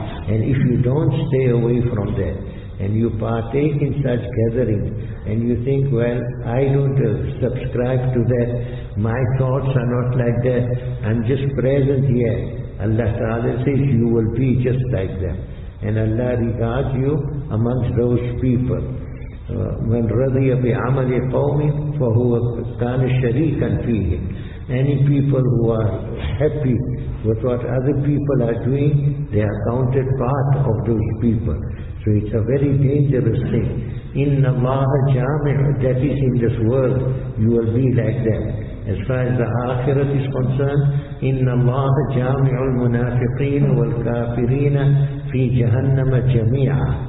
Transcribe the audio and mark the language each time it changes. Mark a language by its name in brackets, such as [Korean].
[English] And if you don't stay away from that, and you partake in such gatherings, and you think, well, I don't subscribe to that, my thoughts are not like that, I'm just present here, Allah Ta'ala says, you will be just like them. And Allah regards you amongst those people. [Arabic] من رضي بعمل قوم فهو كان شريكا فيهم. [English] Any people who are happy with what other people are doing, they are counted part of those people. So it's a very dangerous thing. In Allah Jami', that is in this world, you will be like them. As far as the Akhirat is concerned, [Arabic] إن الله جامع المنافقين والكافرين في جهنم جميعا.